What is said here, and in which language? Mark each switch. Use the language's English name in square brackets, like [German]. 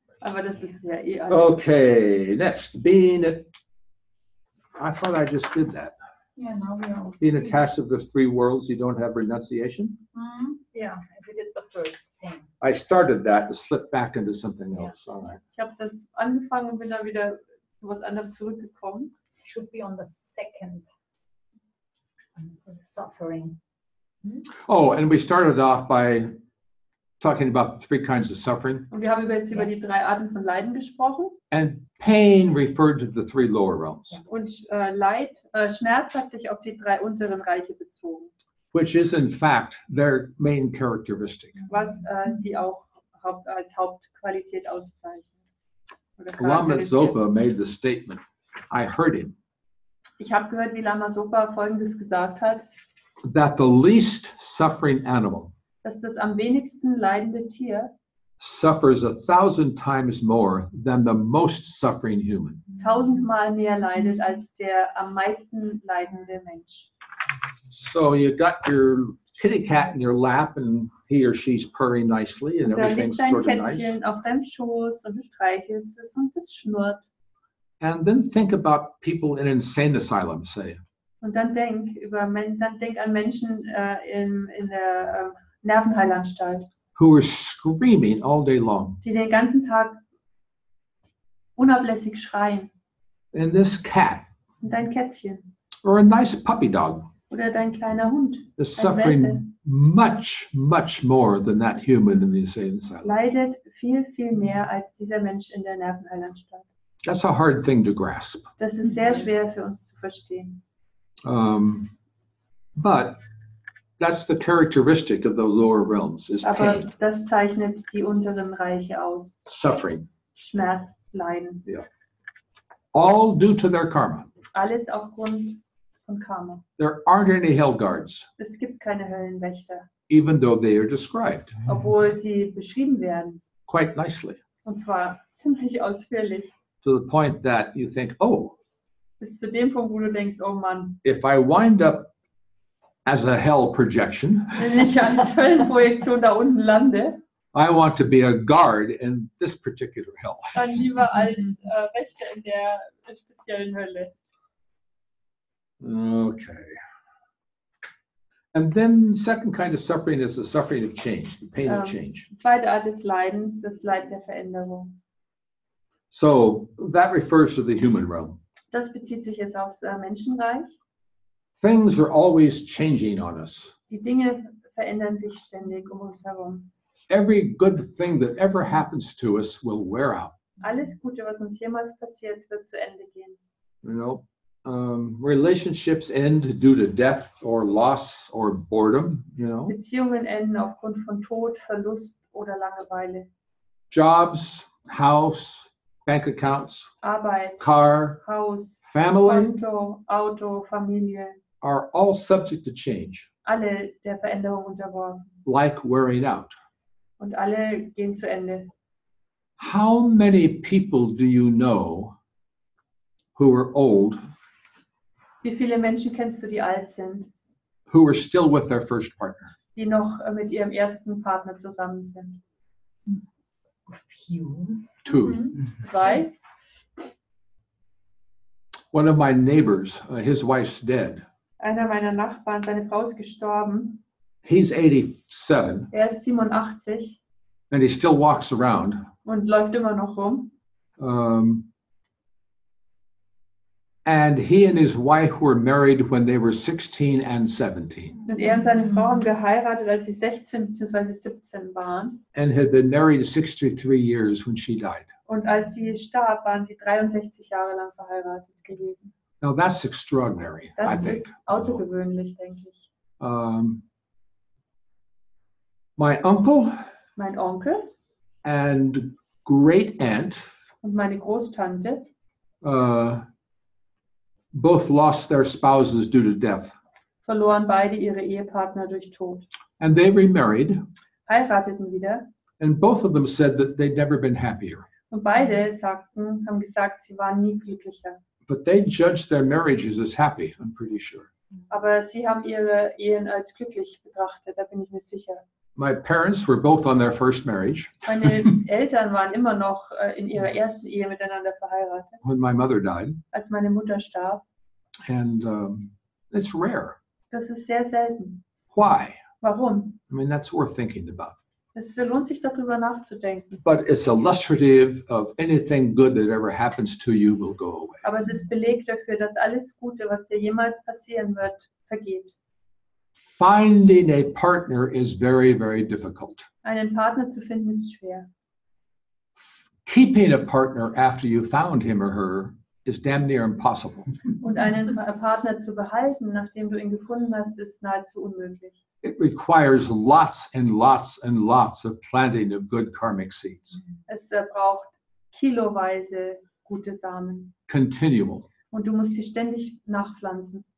[German] Aber das ist ja eh alles. [English] Okay, next. Being I thought I just did that. Yeah, now we are. Being attached to the three worlds, you don't have renunciation? Yeah, I did the first thing. I started that to slip back into something else. All right. [German] Ich habe das angefangen und bin dann wieder zu was anderem zurückgekommen. [English] Should be on the second. Suffering. Hmm? Oh, and we started off by talking about three kinds of suffering. [German] Und wir haben jetzt über die drei Arten von Leiden gesprochen. [English] And pain referred to the three lower realms. [German] Und Schmerz hat sich auf die drei unteren Reiche bezogen. [English] Which is in fact their main characteristic. [German] Was sie auch als Hauptqualität auszeichnet. [English] Lama Zopa made the statement. I heard him. [German] Ich habe gehört, wie Lama Zopa Folgendes gesagt hat. [English] That the least suffering animal. [German] Dass das am wenigsten leidende Tier [English] suffers 1,000 times more than the most suffering human. [German] 1,000-mal mehr leidet als der am meisten leidende Mensch. [English] So you got your kitty cat in your lap and he or she's purring nicely and everything's sort of nice. [German] Da liegt dein Kätzchen auf deinem Schoß und du streichelst es und es schnurrt. [English] And then think about people in insane asylums, say. [German] Und dann denk über denk an Menschen in der Nervenheilanstalt. [English] Who are screaming all day long. [German] Die den ganzen Tag unablässig schreien. [English] And this cat. [German] Und dein Kätzchen. [English] Or a nice puppy dog. [German] Oder dein kleiner Hund. [English] Is suffering much, much more than that human in the insane asylum. [German] Leidet viel, viel mehr als dieser Mensch in der Nervenheilanstalt. [English] That's a hard thing to grasp. [German] Das ist sehr schwer für uns zu verstehen. [English] But that's the characteristic of the lower realms, is [German] aber [English] pain. [German] Das zeichnet die unteren Reiche aus. [English] Suffering. [German] Schmerz, Leiden. [English] Yeah. All due to their karma. [German] Alles aufgrund von Karma. [English] There aren't any hell guards. [German] Es gibt keine Höllenwächter. [English] Even though they are described. [German] Obwohl sie beschrieben werden. [English] Quite nicely. [German] Und zwar ziemlich ausführlich. [English] To the point that you think, oh. [German] Bis zu dem Punkt, wo du denkst, oh Mann. [English] If I wind up as a hell projection. [German] Wenn ich als Höllenprojektion da unten lande. [English] I want to be a guard in this particular hell. [German] Dann lieber als Wächter in der speziellen Hölle. [English] Okay. And then the second kind of suffering is the suffering of change, the pain of change. [German] Zweite Art des Leidens, das Leid der Veränderung. [English] So that refers to the human realm. [German] Das bezieht sich jetzt aufs Menschenreich. [English] Things are always changing on us. [German] Die Dinge verändern sich ständig um uns herum. [English] Every good thing that ever happens to us will wear out. [German] Alles Gute, was uns jemals passiert, wird zu Ende gehen. [English] You know, relationships end due to death or loss or boredom, you know. [German] Beziehungen enden aufgrund von Tod, Verlust oder Langeweile. [English] Jobs, house, bank accounts, [German] Arbeit, [English] car, [German] Haus, [English] family, [German] Konto, Auto, Familie, [English] are all subject to change. [German] Alle der Veränderung unterworfen. [English] Like wearing out. [German] Und alle gehen zu Ende. [English] How many people do you know who are old? [German] Wie viele Menschen kennst du, die alt sind? [English] Who are still with their first partner? [German] Die noch mit ihrem ersten Partner zusammen sind. [English] Two. [German] Zwei. [English] One of my neighbors, his wife's dead. [German] Einer meiner Nachbarn, seine Frau ist gestorben. [English] He's 87. [German] Er ist 87. [English] And he still walks around. [German] Und läuft immer noch rum. [English] And he and his wife were married when they were 16 and 17. [German] Und er und seine Frau haben geheiratet, als sie 16 bzw. 17 waren. [English] And had been married 63 years when she died. [German] Und als sie starb, waren sie 63 Jahre lang verheiratet gewesen. [English] Now that's extraordinary, [German] das [English] I think. [German] Das ist außergewöhnlich, denke ich. [English] My uncle. [German] Mein Onkel. [English] And great aunt. [German] Und meine Großtante. [English] Both lost their spouses due to death. [German] Verloren beide ihre Ehepartner durch Tod. [English] And they remarried. [German] Heirateten wieder. [English] And both of them said that they'd never been happier. [German] Und beide sagten, haben gesagt, sie waren nie glücklicher. [English] But they judged their marriages as happy, I'm pretty sure. [German] Aber sie haben ihre Ehen als glücklich betrachtet, da bin ich mir sicher. [English] My parents were both on their first marriage. [German] Meine Eltern waren immer noch in ihrer ersten Ehe miteinander verheiratet. [English] When my mother died. [German] Als meine Mutter starb. [English] And it's rare. [German] Das ist sehr selten. [English] Why? [German] Warum? [English] I mean, that's worth thinking about. [German] Es lohnt sich, darüber nachzudenken. [English] But it's illustrative of anything good that ever happens to you will go away. [German] Aber es ist Beleg dafür, dass alles Gute, was dir jemals passieren wird, vergeht. [English] Finding a partner is very, very difficult. [German] Einen Partner zu finden ist schwer. [English] Keeping a partner after you found him or her is damn near impossible. [German] Und einen Partner zu behalten, nachdem du ihn gefunden hast, ist nahezu unmöglich. [English] It requires lots and lots and lots of planting of good karmic seeds. [German] Es braucht kiloweise gute Samen. [English] Continual. [German] Und du musst sie ständig nachpflanzen.